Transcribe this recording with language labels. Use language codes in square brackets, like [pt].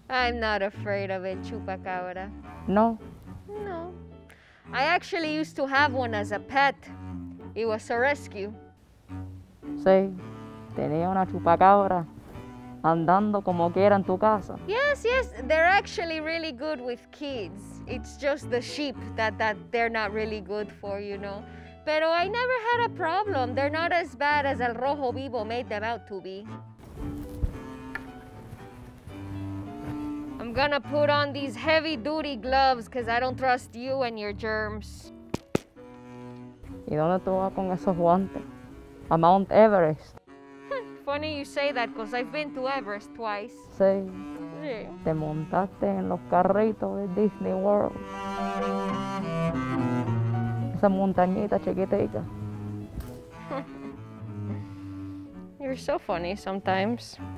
[en] I'm not afraid of el chupacabra. No. No. I actually used to have one as a pet. It was a rescue. [es] Sí. Tenía una chupacabra andando como quiera en tu casa. [en] Yes, yes. They're actually really good with kids. It's just the sheep that they're not really good for, you know. Pero I never had a problem. They're not as bad as el rojo vivo made them out to be. I'm gonna put on these heavy-duty gloves because I don't trust you and your germs. [es] ¿Y dónde tú vas con esos guantes? A Mount Everest. [en] Funny you say that because I've been to Everest twice. [es] Sí. Te montaste en los carritos de Disney World. Esa montañita chiquitica. [en] You're so funny sometimes.